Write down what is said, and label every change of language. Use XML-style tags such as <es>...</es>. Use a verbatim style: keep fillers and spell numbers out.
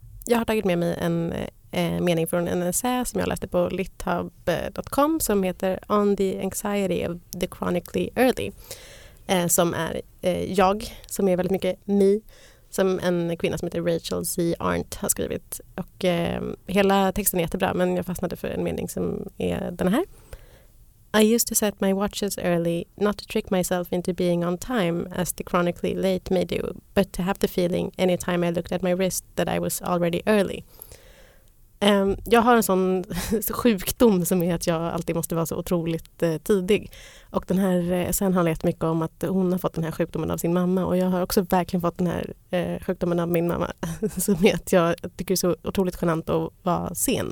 <sv>Jag har tagit med mig en eh, mening från en essä som jag läste på lithub dot com som heter On the Anxiety of the Chronically Early. Eh, som är eh, jag, som är väldigt mycket me. Som en kvinna som heter Rachel Z. Arndt har skrivit. Och eh, hela texten är jättebra, men jag fastnade för en mening som är den här.</sv> <en>I used to set my watches early, not to trick myself into being on time as the chronically late may do, but to have the feeling any time I looked at my wrist that I was already early.</en> <sv>Um, jag har en sån sjukdom som är att jag alltid måste vara så otroligt eh, tidig. Och den här, eh, sen handlar det mycket om att hon har fått den här sjukdomen av sin mamma. Och jag har också verkligen fått den här eh, sjukdomen av min mamma. Som är att jag tycker det är så otroligt genant att vara sen.</sv>